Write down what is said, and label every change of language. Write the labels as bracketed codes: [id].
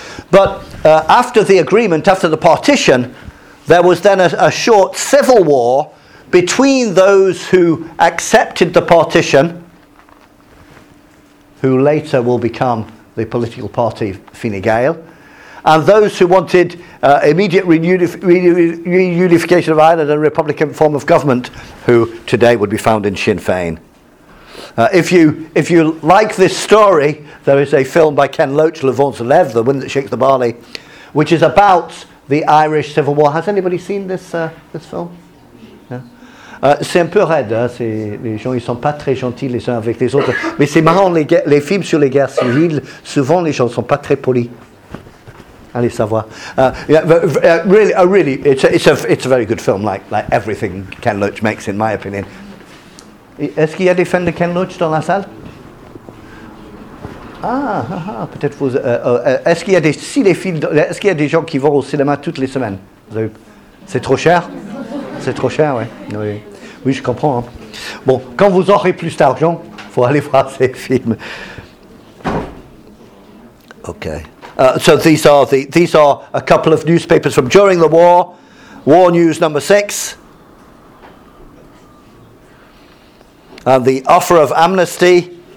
[en] But after the agreement, after the partition, there was then a short civil war between those who accepted the partition, who later will become the political party Fine Gael, and those who wanted immediate reunification of Ireland and a republican form of government, who today would be found in Sinn Féin. If you like this story, there is a film by Ken Loach, Le Vent Se Lève, The Wind That Shakes the Barley, which is about the Irish Civil War. Has anybody seen this this film? Yeah. [fr] C'est un peu raide, hein? C'est, les gens ils sont pas très gentils les uns avec les autres. Mais c'est marrant, les films sur les guerres civiles, souvent les gens sont pas très polis. Allez savoir. [en] It's a very good film, like everything Ken Loach makes, in my opinion. [fr] Est-ce qu'il y a des fans de Ken Loach dans la salle? Peut-être vous. Est-ce qu'il y a des cinéphiles? Est-ce qu'il y a des gens qui vont au cinéma toutes les semaines? C'est trop cher, ouais. Oui. Oui, je comprends. Hein. Bon, quand vous aurez plus d'argent, faut aller voir ces films. Ok. [en] So these are a couple of newspapers from during the war. War News number 6. And the offer of amnesty.